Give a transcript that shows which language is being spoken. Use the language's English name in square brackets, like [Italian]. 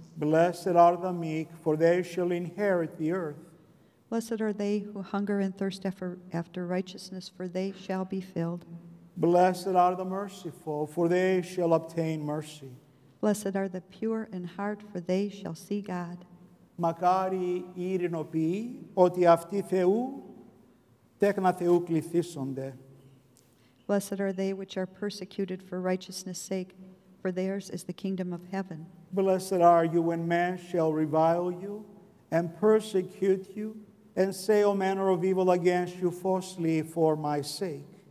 [English] Blessed are the meek, for they shall inherit the earth. Blessed are they who hunger and thirst after righteousness, for they shall be filled. Blessed are the merciful, for they shall obtain mercy. Blessed are the pure in heart, for they shall see God. [Greek] Μακάρι ειρηνοποιεί ότι αυτοί Θεού, τέκνα Θεού κληθήσονται. [English] Blessed are they which are persecuted for righteousness' sake, for theirs is the kingdom of heaven. Blessed are you when men shall revile you and persecute you and say all manner of evil against you falsely for my sake.